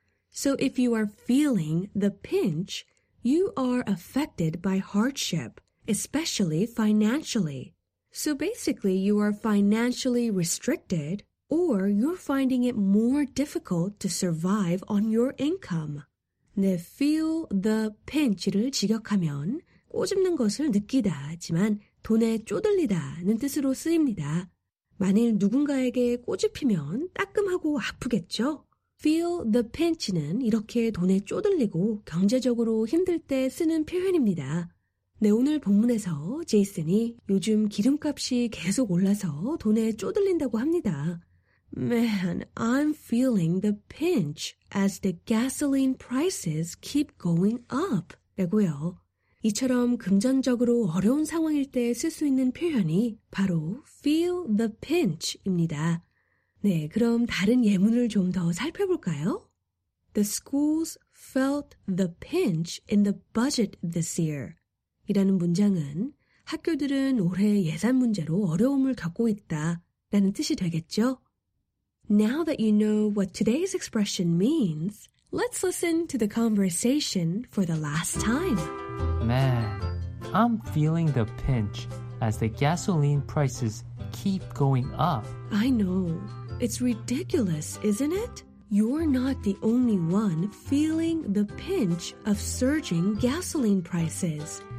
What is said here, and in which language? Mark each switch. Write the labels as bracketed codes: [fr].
[en] So if you are feeling the pinch, you are affected by hardship, especially financially. So basically, you are financially restricted, or you're finding it more difficult to survive on your income. [ko] 네, feel the pinch를 직역하면 꼬집는 것을 느끼다지만 돈에 쪼들리다는 뜻으로 쓰입니다. 만일 누군가에게 꼬집히면 따끔하고 아프겠죠? Feel the pinch는 이렇게 돈에 쪼들리고 경제적으로 힘들 때 쓰는 표현입니다. 네, 오늘 본문에서 제이슨이 요즘 기름값이 계속 올라서 돈에 쪼들린다고 합니다. [en] Man, I'm feeling the pinch as the gasoline prices keep going up. [ko] 라고요. 이처럼 금전적으로 어려운 상황일 때 쓸 수 있는 표현이 바로 feel the pinch입니다. 네, 그럼 다른 예문을 좀 더 살펴볼까요? [en] The schools felt the pinch in the budget this year. [ko] 이라는 문장은 학교들은 올해 예산 문제로 어려움을 겪고 있다 라는 뜻이 되겠죠? [en] Now that you know what today's expression means, let's listen to the conversation for the last time. Man, I'm feeling the pinch as the gasoline prices keep going up. I know. It's ridiculous, isn't it? You're not the only one feeling the pinch of surging gasoline prices.